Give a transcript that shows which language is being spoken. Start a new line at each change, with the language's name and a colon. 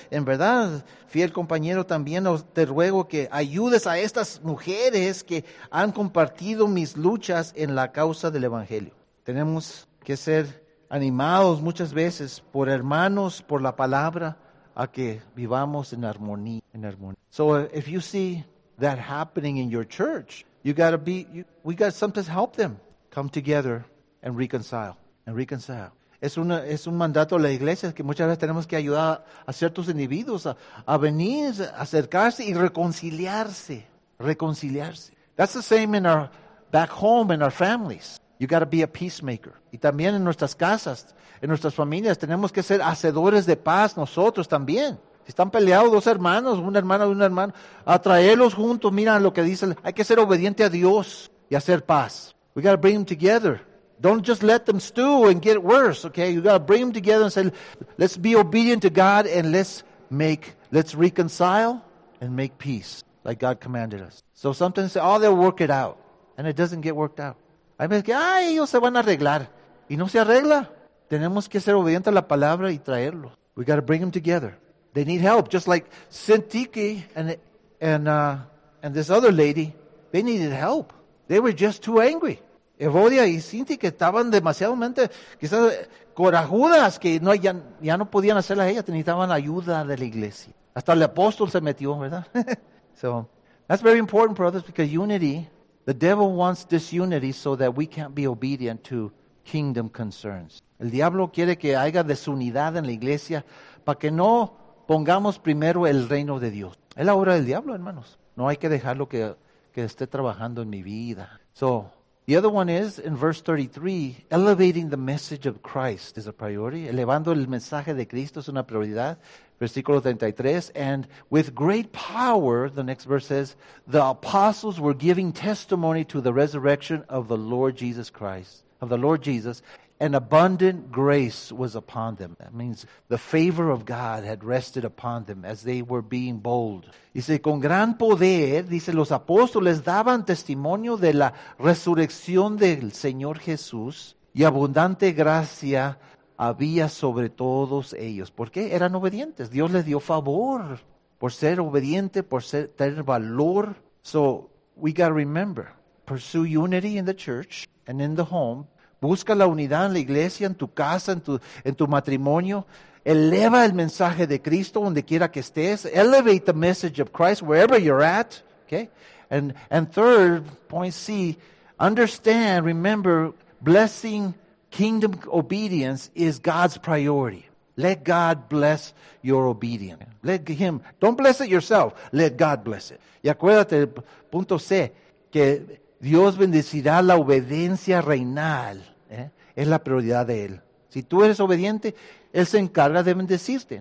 Spanish: En verdad, fiel compañero, también te ruego que ayudes a estas mujeres que han compartido mis luchas en la causa del Evangelio. Tenemos que ser animados muchas veces por hermanos, por la palabra, a que vivamos en armonía.
English: So if you see that happening in your church, we got to sometimes help them. Come together and reconcile.
Spanish: Es un mandato de la iglesia que muchas veces tenemos que ayudar a ciertos individuos a venir, acercarse y reconciliarse.
English: That's the same in our back home, in our families. You got to be a peacemaker.
Spanish: Y también en nuestras casas, en nuestras familias, tenemos que ser hacedores de paz nosotros también. Si están peleados dos hermanos, una hermana y un hermano, atraerlos juntos, mira lo que dice, hay que ser obediente a Dios y hacer paz.
English: We got to bring them together. Don't just let them stew and get worse, okay? You got to bring them together and say, let's be obedient to God and let's reconcile and make peace like God commanded us. So sometimes they say, oh, they'll work it out. And it doesn't get worked out.
Spanish: Hay veces que, ay, ellos se van a arreglar. Y no se arregla. Tenemos que ser obedientes a la palabra y traerlo.
English: We got to bring them together. They need help. Just like Syntyche and this other lady, they needed help. They were just too angry.
Spanish: Evodia y Cinti, que estaban demasiadamente, quizás corajudas, que no, ya no podían hacerla ellas, necesitaban ayuda de la iglesia. Hasta el apóstol se metió, ¿verdad?
English: So, that's very important, brothers, because unity, the devil wants disunity so that we can't be obedient to kingdom concerns.
Spanish: El diablo quiere que haya desunidad en la iglesia para que no pongamos primero el reino de Dios. Es la obra del diablo, hermanos. No hay que dejarlo que esté trabajando en mi vida.
English: So, the other one is, in verse 33, elevating the message of Christ is a priority.
Spanish: Elevando el mensaje de Cristo es una prioridad. Versículo 33,
English: and with great power, the next verse says, the apostles were giving testimony to the resurrection of the Lord Jesus Christ, of the Lord Jesus, and abundant grace was upon them. That means the favor of God had rested upon them as they were being bold.
Spanish: Dice, con gran poder, dice, los apóstoles daban testimonio de la resurrección del Señor Jesús, y abundante gracia había sobre todos ellos. ¿Por qué? Eran obedientes. Dios les dio favor por ser obediente, por ser, tener valor.
English: So, we got to remember, pursue unity in the church and in the home.
Spanish: Busca la unidad en la iglesia, en tu casa, en tu matrimonio. Eleva el mensaje de Cristo donde quiera que estés.
English: Elevate the message of Christ wherever you're at. Okay? And third, point C, understand, remember, blessing kingdom obedience is God's priority. Let God bless your obedience. Let Him, don't bless it yourself, let God bless it.
Spanish: Y acuérdate, punto C, que Dios bendecirá la obediencia reinal. Es la prioridad de Él. Si tú eres obediente, Él se encarga de bendecirte.